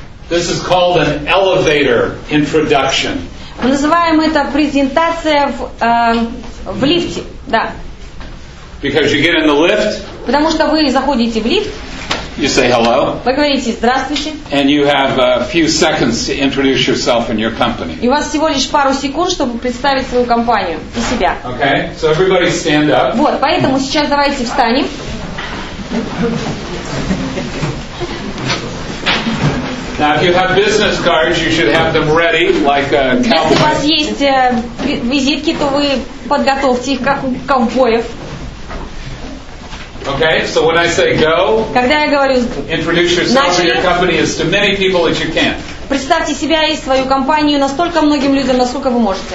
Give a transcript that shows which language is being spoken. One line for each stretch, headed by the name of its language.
English: This is called an elevator introduction.
Russian: Мы называем это презентация в лифте. Да.
English: Because you get in the lift,
Russian: потому что вы заходите в лифт.
English: You say hello.
Russian: Вы говорите здравствуйте.
English: And you have a few seconds to introduce yourself and your company.
Russian: И у вас всего лишь пару секунд, чтобы представить свою компанию и себя.
English: Okay, so everybody stand up.
Russian: Вот, поэтому сейчас давайте встанем.
English: Now, if you have business cards, you should have them ready, like a cowboy.
Russian: Если у вас есть визитки, то вы подготовьте их как у ковбоев.
English: Okay, so when I say go,
Russian: когда я говорю,
English: introduce yourself
Russian: начали,
English: and your company as to many people as you can.
Russian: Представьте себя и свою компанию настолько многим людям, насколько вы можете.